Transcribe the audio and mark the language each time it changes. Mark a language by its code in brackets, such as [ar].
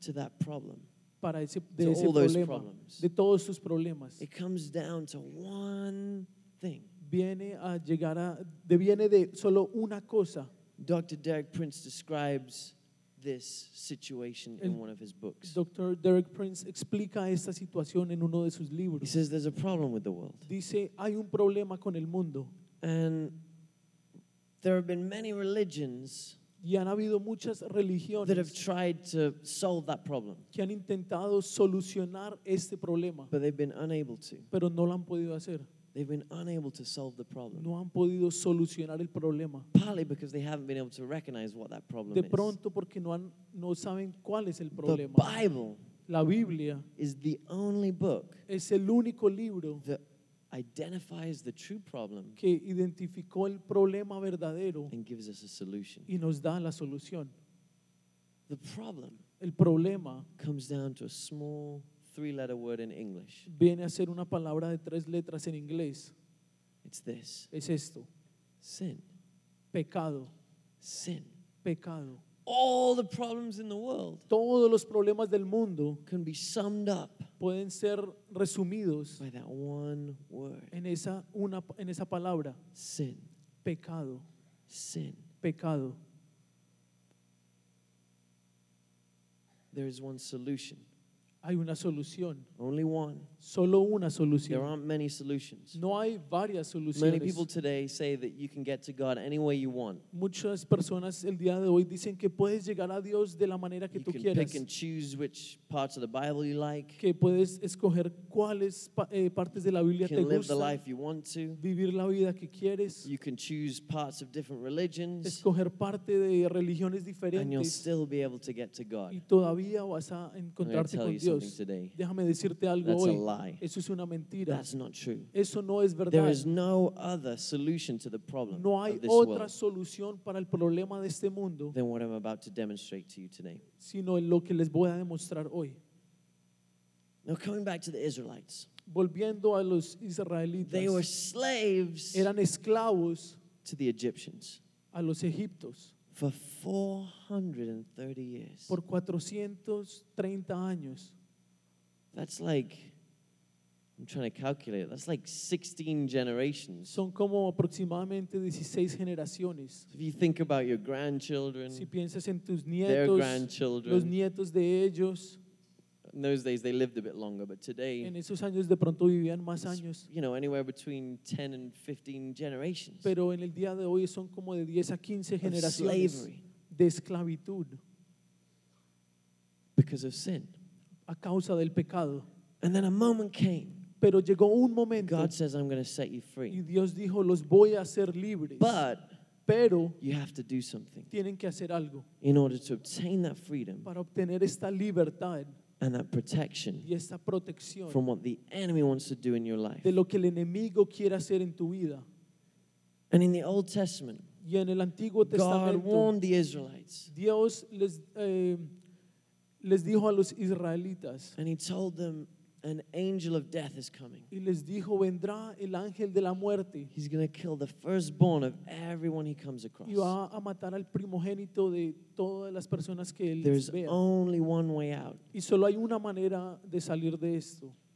[en] to that problem. [es] Para ese, de to ese all problema, [en] those problems. [es] De todos sus problemas. [en] It comes down to one thing. [es] Viene a llegar a, de, viene de solo una cosa. [en] Dr. Derek Prince describes this situation in one of his books. Dr. [es] Derek Prince explica esta situación en uno de sus libros. [en] He says there's a problem with the world. [es] Dice, hay un problema con el mundo. [en] And there have been many religions [es] y han habido muchas religiones [en] that have tried to solve that problem. [es] Que han intentado solucionar este problema. [en] But they've been unable to. [es] Pero no lo han podido hacer. [en] They've been unable to solve the problem. [es] No han podido solucionar el problema. [en] Partly because they haven't been able to recognize what that problem is. [es] De pronto porque no saben cuál es el problema. [en] The Bible, [es] la Biblia, [en] is the only book, [es] es el único libro, [en] that identifies the true problem, [es] que identificó el problema verdadero, [en] and gives us a solution. [es] Y nos da la solución. [en] The problem, [es] el problema, [en] comes down to a small three-letter word in English. [es] Viene a ser una palabra de tres letras en inglés. [en] It's this. [es] Es esto. [en] Sin. [es] Pecado. [en] Sin. [es] Pecado. [en] All the problems in the world. [es] Todos los problemas del mundo [en] can be summed up. [es] Pueden ser resumidos [en] by that one word. [es] En esa palabra. [en] Sin. [es] Pecado. [en] Sin. [es] Pecado. [en] There is one solution. [es] Hay una solución. [en] Only one. [es] Solo una solución. [en] There aren't many solutions. [es] No hay varias soluciones. [en] Many people today say that you can get to God any way you want. [es] Muchas personas el día de hoy dicen que puedes llegar a Dios de la manera que tú quieras. [en] You can pick and choose which parts of the Bible you like. [es] Que puedes escoger cuáles partes de la Biblia te gustan. [en] You can live the life you want to. [es] Vivir la vida que quieres. [en] You can choose parts of different religions. [es] Escoger parte de religiones diferentes. [en] And you'll still be able to get to God. [es] Y todavía vas a encontrarte con Dios. [en] Today. [es] Déjame decirte algo. [en] That's [es] hoy. [en] A lie. [es] Eso es una mentira. [en] That's not true. [es] Eso no es verdad. [en] There is no other solution to the problem. [es] No hay [en] of this [es] otra [en] world [es] solución para el problema de este mundo. [en] Than what I'm about to demonstrate to you today. [es] Sino lo que les voy a demostrar hoy. [en] Now coming back to the Israelites. [es] Volviendo a los israelitas. [en] They were slaves. [es] Eran esclavos. [en] To the Egyptians. [es] A los egipcios. [en] For 430 years. [es] Por 430 años. [en] That's like, I'm trying to calculate. That's like 16 generations. [es] Son como aproximadamente 16 generaciones. [en] So if you think about your grandchildren, [es] si piensas en tus nietos, [en] their grandchildren, [es] los nietos de ellos. [en] In those days, they lived a bit longer, but today, [es] en esos años de pronto vivían más años. [en] You know, anywhere between 10 and 15 generations. [es] Pero en el día de hoy son como de 10 a 15 generaciones [en] of slavery. [es] De esclavitud. [en] Because of sin. [es] A causa del pecado. [en] And then a moment came. [es] Pero llegó un momento. [en] God says, I'm going to set you free. [es] Y Dios dijo, los voy a hacer libres. [en] But [es] pero [en] you have to do something. [es] Tienen que hacer algo. [en] In order to obtain that freedom. [es] Para obtener esta libertad. [en] And that protection [es] y esta protección [en] from what the enemy wants to do in your life. [es] De lo que el enemigo quiere hacer en tu vida. [en] And in the Old Testament, [es] y en el Antiguo Testamento, [en] God warned the Israelites. [es] Dios les dijo a los israelitas. [en] And he told them, an angel of death is coming. [es] Y les dijo, vendrá el ángel de la muerte. [en] He's going to kill the firstborn of everyone he comes across. [es] Y va a matar al primogénito de todas las personas que él [en] There's [es] vea. [en] Only one way out. [es] Y solo hay una manera de salir de esto.